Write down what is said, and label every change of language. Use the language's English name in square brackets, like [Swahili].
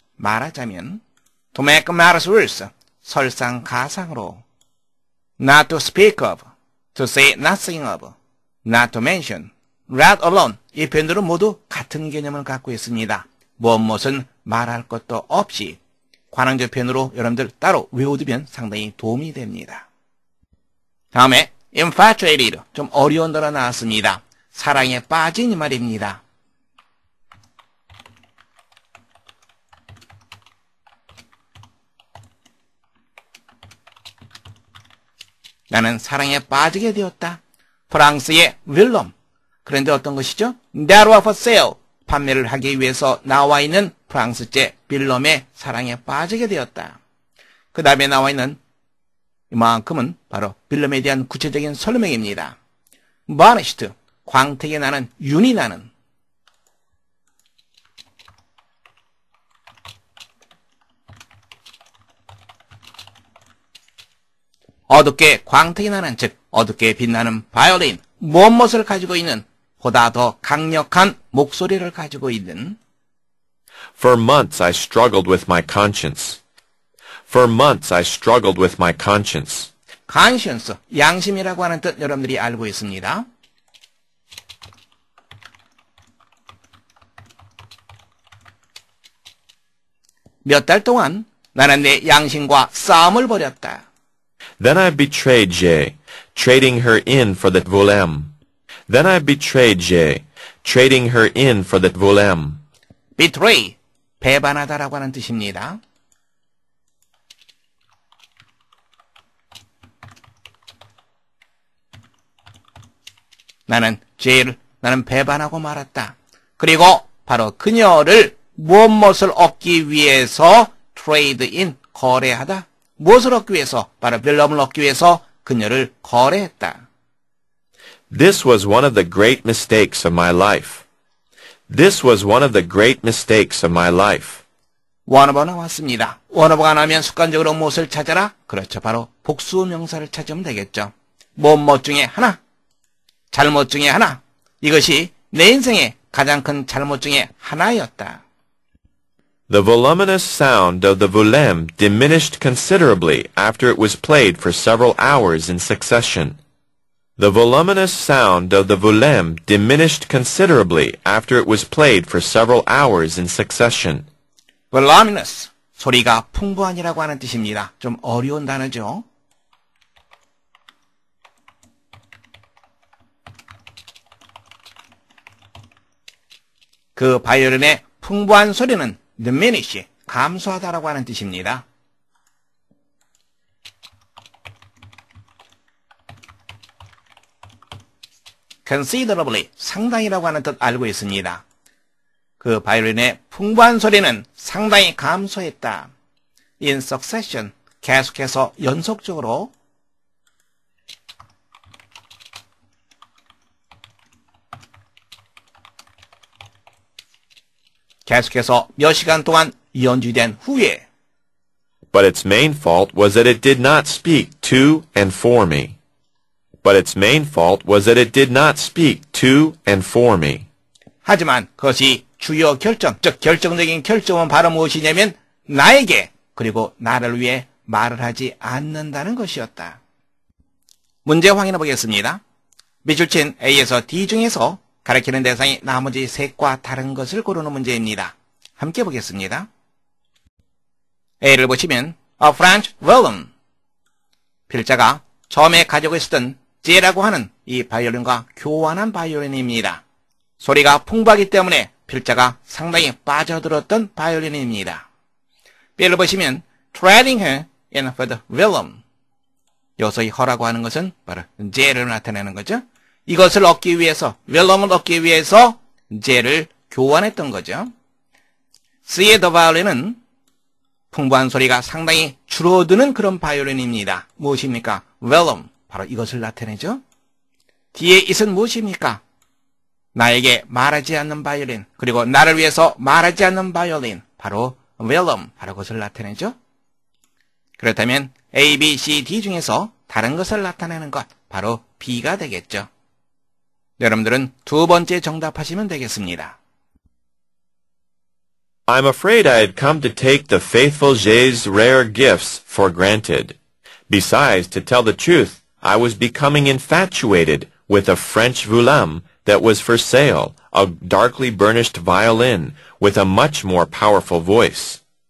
[Korean] 말하자면, [English] to make matters worse, [Korean] 설상가상으로, [English] not to speak of, to say nothing of, not to mention, let alone, [Korean] 이 표현들은 모두 같은 개념을 갖고 있습니다. 무엇은 말할 것도 없이 관용적 표현으로 여러분들 따로 외워두면 상당히 도움이 됩니다. 다음에 infatuated 좀 어려운 단어 나왔습니다. 사랑에 빠진 말입니다. 나는 사랑에 빠지게 되었다. 프랑스의 윌럼. 그런데 어떤 것이죠? [English] That was for sale. [Korean] 판매를 하기 위해서 나와 있는 프랑스제 빌럼의 사랑에 빠지게 되었다. 그 다음에 나와 있는 이만큼은 바로 빌럼에 대한 구체적인 설명입니다. Vanished, 광택이 나는, 윤이 나는. 어둡게 광택이 나는, 즉 어둡게 빛나는 바이올린, 무엇을 가지고 있는 보다 더 강력한 목소리를 가지고 있는. [English] For months I struggled with my conscience. For months I struggled with my conscience. [Korean] Conscience, 양심이라고 하는 뜻 여러분들이 알고 있습니다. 몇 달 동안 나는 내 양심과 싸움을 벌였다. [English] Then I betrayed Jay, trading her in for the Volem. Then I betrayed Jay, trading her in for the Volem. [Korean] Betray, 배반하다라고 하는 뜻입니다. 나는 제이를 나는 배반하고 말았다. 그리고 바로 그녀를 무엇을 얻기 위해서 트레이드 인 거래하다. 무엇을 얻기 위해서? 바로 빌럼을 얻기 위해서 그녀를 거래했다. [English] This was one of the great mistakes of my life. This was one of the great mistakes of my life. [Korean] 원어버 나왔습니다. 원어버가 나면 습관적으로 무엇을 찾아라? 그렇죠. 바로 복수 명사를 찾으면 되겠죠. 무엇 중에 하나? 잘못 중에 하나. 이것이 내 인생의 가장 큰 잘못 중에 하나였다. [English] The voluminous sound of the volem diminished considerably after it was played for several hours in succession. The voluminous sound of the volem diminished considerably after it was played for several hours in succession. [Korean] Voluminous, 소리가 풍부한이라고 하는 뜻입니다. 좀 어려운 단어죠. The 바이올린의 풍부한 소리는 diminish, 감소하다라고 하는 뜻입니다. Considerably, 상당이라고 하는 뜻 알고 있습니다. 그 바이올린의 풍부한 소리는 상당히 감소했다. In succession, 계속해서 연속적으로 계속해서 몇 시간 동안 연주된 후에 [English] But its main fault was that it did not speak to and for me. But its main fault was that it did not speak to and for me. [Korean] 하지만 그것이 주요 결정, 즉 결정적인 결정은 바로 무엇이냐면 나에게 그리고 나를 위해 말을 하지 않는다는 것이었다. 문제 확인해 보겠습니다. 밑줄 친 A에서 D 중에서 가리키는 대상이 나머지 셋과 다른 것을 고르는 문제입니다. 함께 보겠습니다. A를 보시면 [English] A French violin. [Korean] 필자가 처음에 가지고 있었던 J라고 하는 이 바이올린과 교환한 바이올린입니다. 소리가 풍부하기 때문에 필자가 상당히 빠져들었던 바이올린입니다. B를 보시면 [English] Trading her in for the violin. [Korean] 여기서 이 her라고 하는 것은 바로 J를 나타내는 거죠. 이것을 얻기 위해서, 웰럼을 얻기 위해서 J를 교환했던 거죠. C의 더 바이올린은 풍부한 소리가 상당히 줄어드는 그런 바이올린입니다. 무엇입니까? 웰럼, 바로 이것을 나타내죠. D의 이슨 무엇입니까? 나에게 말하지 않는 바이올린, 그리고 나를 위해서 말하지 않는 바이올린, 바로 웰럼, 바로 그것을 나타내죠. 그렇다면 A, B, C, D 중에서 다른 것을 나타내는 것, 바로 B가 되겠죠. 여러분들은 두 번째 정답하시면 되겠습니다. [English] I'm afraid I had come to take the faithful Jay's rare gifts for granted. Besides, to tell the truth, I was becoming infatuated with a French volem that was for sale, a darkly burnished violin with a much more powerful voice.